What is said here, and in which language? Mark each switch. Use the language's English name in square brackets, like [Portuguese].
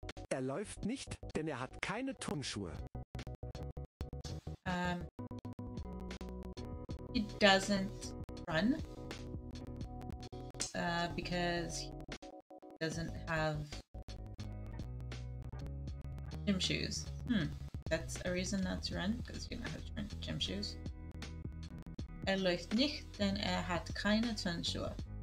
[German] Er läuft nicht, denn er hat keine Turnschuhe. [English] He doesn't run because he doesn't have gym shoes. That's a reason not to run, because you don't have to run gym shoes. [German] Er läuft nicht, denn er hat keine Turnschuhe.